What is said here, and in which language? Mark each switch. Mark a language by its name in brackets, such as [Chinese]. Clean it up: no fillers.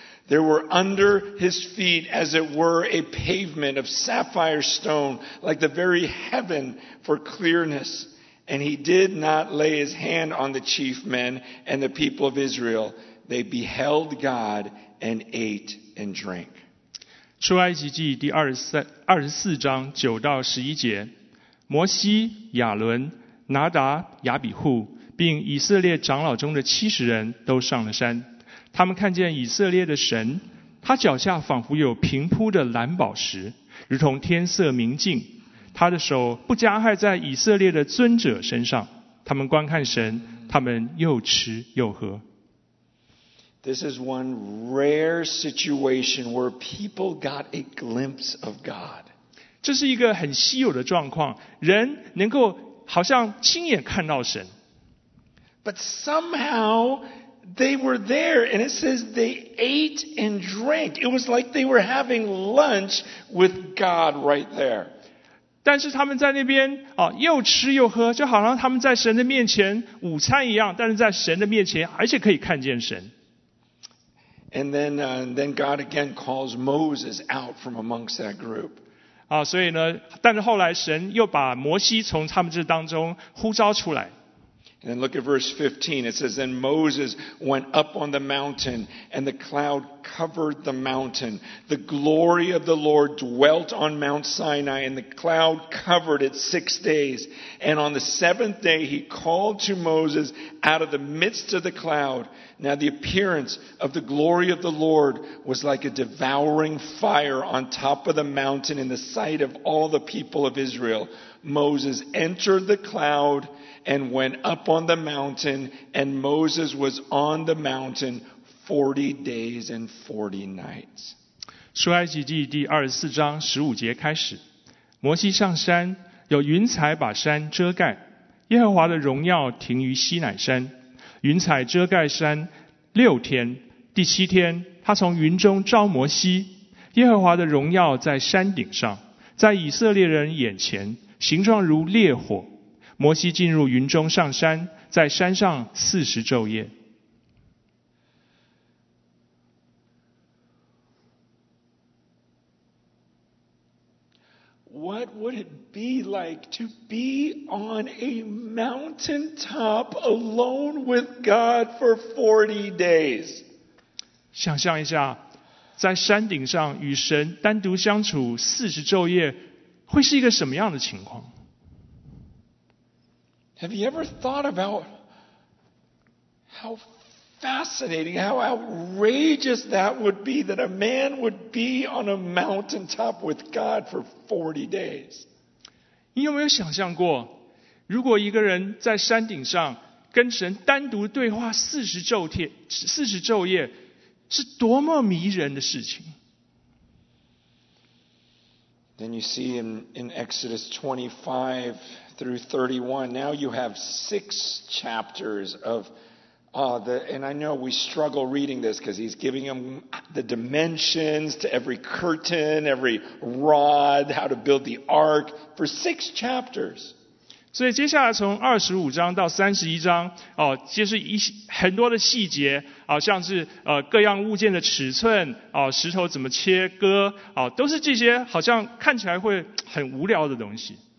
[English] There were under his feet, as it were, a pavement of sapphire stone, like the very heaven for clearness. And he did not lay his hand on the chief men and the people of Israel. They beheld God and ate and drank. [Chinese] 出埃及记第二十四章九到十一节，摩西、亚伦、拿达、亚比户，并以色列长老中的七十人都上了山。他们看见以色列的神，他脚下仿佛有平铺的蓝宝石，如同天色明净。他的手不加害在以色列的尊者身上。他们观看神，他们又吃又喝。 [English] This is one rare situation where people got a glimpse of God. [Chinese] 这是一个很稀有的状况，人能够好像亲眼看到神。 [English] But somehow they were there, and it says they ate and drank. It was like they were having lunch with God right there. [Chinese] 但是他们在那边，哦，又吃又喝，就好像他们在神的面前午餐一样，但是在神的面前，而且可以看见神。 [English] And then God again calls Moses out from amongst that group. [Chinese] 啊，所以呢，但是后来神又把摩西从他们这当中呼召出来。 [English] And look at verse 15. It says, "Then Moses went up on the mountain, and the cloud covered the mountain. The glory of the Lord dwelt on Mount Sinai, and the cloud covered it 6 days. And on the seventh day, he called to Moses out of the midst of the cloud. Now the appearance of the glory of the Lord was like a devouring fire on top of the mountain in the sight of all the people of Israel. Moses entered the cloud. And went up on the mountain, and Moses was on the mountain 40 days and 40 nights. [Chinese] 出埃及记第24章15节开始，摩西上山，有云彩把山遮盖，耶和华的荣耀停于西乃山，云彩遮盖山六天，第七天他从云中召摩西，耶和华的荣耀在山顶上，在以色列人眼前形状如烈火。摩西进入云中上山，在山上四十昼夜。 [English] What would it be like to be on a mountaintop alone with God for 40 days? [Chinese] 想象一下，在山顶上与神单独相处40昼夜，会是一个什么样的情况？ [English] Have you ever thought about how fascinating, how outrageous that would be that a man would be on a mountaintop with God for 40 days? [Chinese] 你有没有想象过，如果一个人在山顶上跟神单独对话40昼夜，是多么迷人的事情？ [English] Then you see in Exodus 25 through 31, now you have 6 chapters of and I know we struggle reading this because he's giving them the dimensions to every curtain, every rod, how to build the ark for 6 chapters. [Chinese] 所以接下来从25章到31章，就是很多的细节，像是各样物件的尺寸，石头怎么切割，都是这些好像看起来会很无聊的东西。